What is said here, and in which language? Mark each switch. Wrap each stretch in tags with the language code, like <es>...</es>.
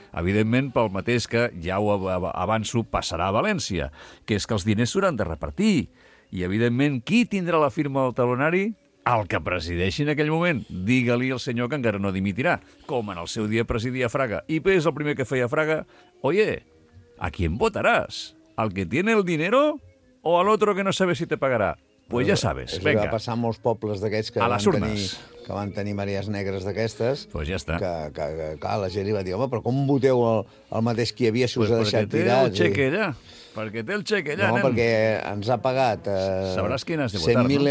<ca>Evidentment, pel mateix que, ja ho avanço, passarà a València, que és que els diners s'hauran de repartir. I, evidentment, qui tindrà la firma del talonari? El que presideixi en aquell moment. Digue-li al senyor que encara no dimitirà. Com en el seu dia presidia Fraga. I és el primer que feia Fraga.</ca> <es>Oye, ¿a quién votarás? ¿Al que tiene el dinero o al otro que no sabe si te pagará? Pues ya sabes, venga.</es> <ca>Va passar molts pobles d'aquests que van tenir... Que van tenir marees negres d'aquestes. Pues ja està. Que la gent li va dir, home, però com voteu el mateix que hi havia si us ha deixat tirar? Perquè té el xec allà. Perquè té el xec allà, nen. No, perquè ens ha pagat 100.000</ca>